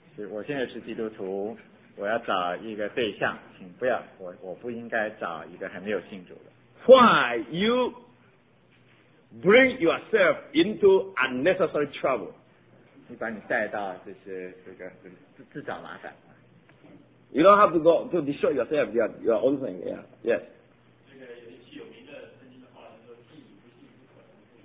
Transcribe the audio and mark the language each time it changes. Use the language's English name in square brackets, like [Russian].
[Chinese] 我现在是基督徒，我要找一个对象，请不要，我不应该找一个还没有信主的。 [English] Why you bring yourself into unnecessary trouble? [Chinese] 你把你带到这些这个自找麻烦。 [English] You don't have to go to destroy yourself, your own thing. Yeah, yes. [Chinese] 这个有句有名的圣经的话说：“地不信不可。”